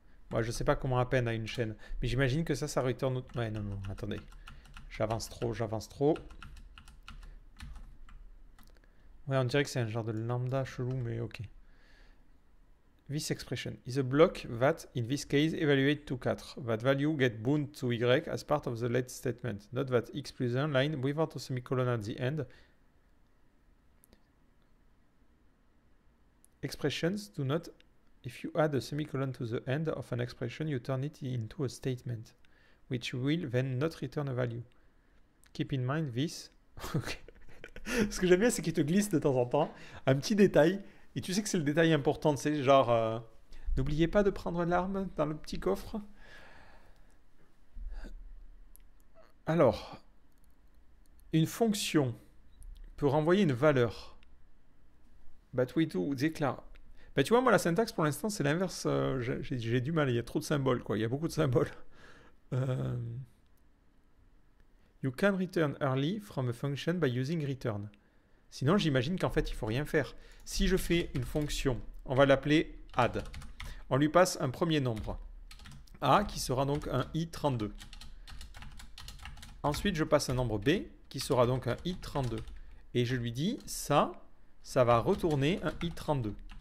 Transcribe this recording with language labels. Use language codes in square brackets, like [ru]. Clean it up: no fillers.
[fr] Bon, je ne sais pas comment à peine à une chaîne, mais j'imagine que ça retourne. Ouais, non, non, attendez. J'avance trop. Ouais, on dirait que c'est un genre de lambda chelou, mais ok. [en] This expression is a block that, in this case, evaluate to 4. That value get bound to y as part of the let statement. Note that x plus 1 line without a semicolon at the end. Expressions do not. If you add a semicolon to the end of an expression, you turn it into a statement, which will then not return a value. Keep in mind this. Ok. [fr] Ce que j'aime bien, c'est qu'il te glisse de temps en temps un petit détail. Et tu sais que c'est le détail important, c'est genre, n'oubliez pas de prendre l'arme dans le petit coffre. Alors, une fonction peut renvoyer une valeur. [en] But we do [fr] déclare. Bah tu vois, moi, la syntaxe, pour l'instant, c'est l'inverse. J'ai du mal, il y a trop de symboles, quoi. Il y a beaucoup de symboles. [en] You can return early from a function by using return. [fr] Sinon, j'imagine qu'en fait, il faut rien faire. Si je fais une fonction, on va l'appeler add. On lui passe un premier nombre, a, qui sera donc un i32. Ensuite, je passe un nombre b, qui sera donc un i32. Et je lui dis, ça va retourner un i32.